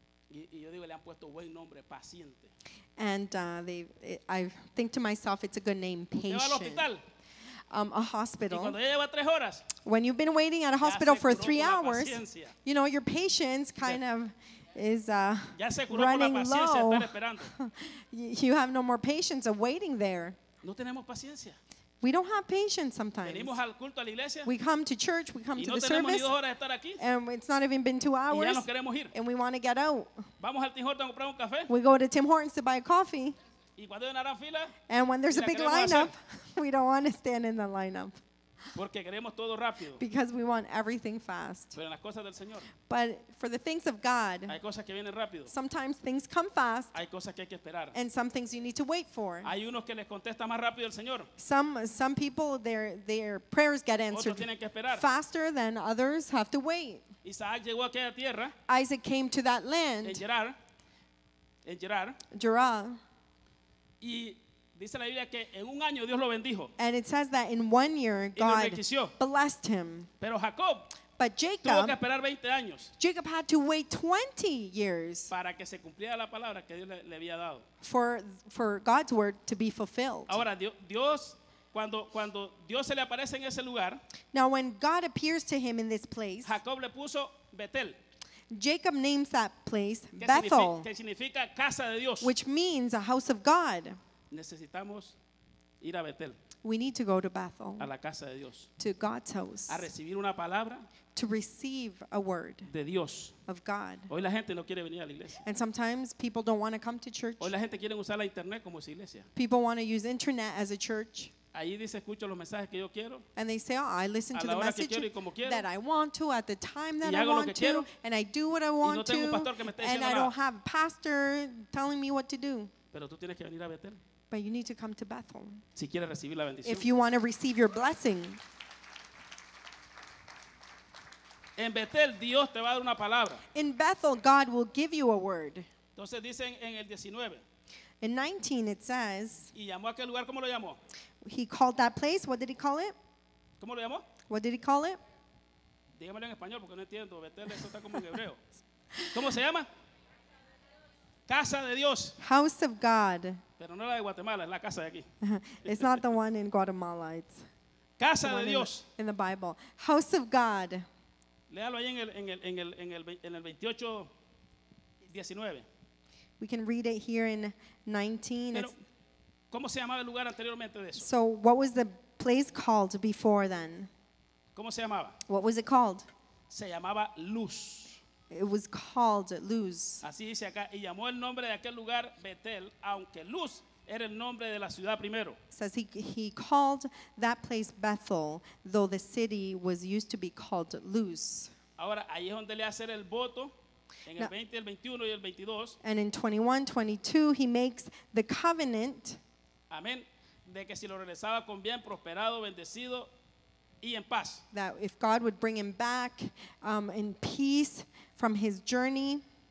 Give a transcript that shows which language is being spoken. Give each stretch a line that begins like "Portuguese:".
Spanish: Y yo digo, le han puesto buen nombre, paciente.
English: And I think to myself, it's a good name, patient.
Spanish: Usted va al hospital.
English: A hospital.
Spanish: Y cuando ya lleva 3 horas.
English: When you've been waiting at a hospital for 3 hours,
Spanish: paciencia.
English: You know, your patience kind
Spanish: ya.
English: Of is
Spanish: ya se curó
English: running
Spanish: por la paciencia,
English: low.
Spanish: Estar esperando.
English: You have no more patience of waiting there.
Spanish: No tenemos paciencia.
English: We don't have patience sometimes.
Spanish: Venimos al culto, a la iglesia.
English: We come to church, we come
Spanish: y no
English: to the service,
Spanish: ni 2 horas de estar aquí.
English: And it's not even been 2 hours,
Spanish: y ya nos queremos ir.
English: And we want to get out.
Spanish: Vamos al Tim Hortons a comprar un café.
English: We go to Tim Hortons to buy a coffee.
Spanish: Y cuando hay una gran fila,
English: and when there's
Spanish: y
English: a big lineup,
Spanish: hacer.
English: We don't want to stand in the lineup.
Spanish: Porque queremos todo rápido.
English: Because we want everything fast.
Spanish: Pero en las cosas del Señor.
English: But for the things of God,
Spanish: hay cosas que vienen rápido.
English: Sometimes things come fast.
Spanish: Hay cosas que hay que esperar.
English: And some things you need to wait for.
Spanish: Hay unos que les contesta más rápido el Señor.
English: Some people, their prayers get answered
Spanish: otros tienen que esperar.
English: Faster than others have to wait.
Spanish: Isaac llegó a aquella tierra.
English: Isaac came to that land.
Spanish: En Gerar. Y dice la Biblia que en un año Dios lo bendijo.
English: And it says that in 1 year God blessed him.
Spanish: Pero Jacob,
English: but Jacob
Spanish: tuvo que esperar 20 años.
English: Jacob had to wait 20 years
Spanish: para que se cumpliera la palabra que Dios le había dado.
English: For God's word to be fulfilled.
Spanish: Ahora Dios cuando Dios se le aparece en ese lugar,
English: now when God appears to him in this place,
Spanish: Jacob le puso Betel.
English: Jacob names that place
Spanish: que
English: Bethel,
Spanish: que significa casa de Dios,
English: which means a house of God.
Spanish: Necesitamos ir a Betel.
English: We need to go to Bethel.
Spanish: A la casa de Dios.
English: To God's house.
Spanish: A recibir una palabra.
English: To receive a word.
Spanish: De Dios.
English: Of God.
Spanish: Hoy la gente no quiere venir a la iglesia.
English: And sometimes people don't want to come to church.
Spanish: Hoy la gente quiere usar la internet como su iglesia.
English: People want to use internet as a church.
Spanish: Ahí dice, escucho los mensajes que yo quiero.
English: And they say, oh, I listen to the message that I want to at the time that I want to. And I do what I want
Spanish: y no tengo
English: to.
Spanish: Pastor que me esté
English: and
Spanish: diciendo
English: I don't Have a pastor telling me what to do.
Spanish: Pero tú tienes que venir a Betel.
English: But you need to come to Bethel.
Spanish: Si quieres recibir la bendición.
English: If you want to receive your blessing.
Spanish: En Betel, Dios te va a dar una palabra.
English: In Bethel, God will give you a word.
Spanish: Entonces dicen en el 19.
English: In 19 it says.
Spanish: Y llamó a aquel lugar, ¿cómo lo llamó?
English: He called that place. What did he call it?
Spanish: ¿Cómo lo llamó?
English: What did he call it?
Spanish: Dígamelo en español porque no entiendo. Betel, eso está como en hebreo. ¿Cómo se llama? Casa de Dios.
English: House of God.
Spanish: Pero no la de Guatemala, es la casa de aquí.
English: It's not the one in Guatemala. It's
Spanish: casa de Dios.
English: In the Bible. House of God.
Spanish: Léalo ahí en el 28, 19.
English: We can read it here in 19.
Spanish: Pero,
English: it's,
Spanish: ¿Cómo se llamaba el lugar anteriormente de eso?
English: So what was the place called before then?
Spanish: ¿Cómo se llamaba?
English: What was it called?
Spanish: Se llamaba Luz.
English: It was called Luz.
Spanish: Así dice acá, y llamó el nombre de aquel lugar Betel, aunque Luz era el nombre de la ciudad primero.
English: Says he called that place Bethel, though the city was used to be called Luz.
Spanish: Ahora ahí es donde le hace el voto en el 20, el 21 y el 22.
English: And in 21, 22 he makes the covenant.
Spanish: Amén. De que si lo regresaba con bien, prosperado, bendecido y en paz.
English: That if God would bring him back in peace from his journey.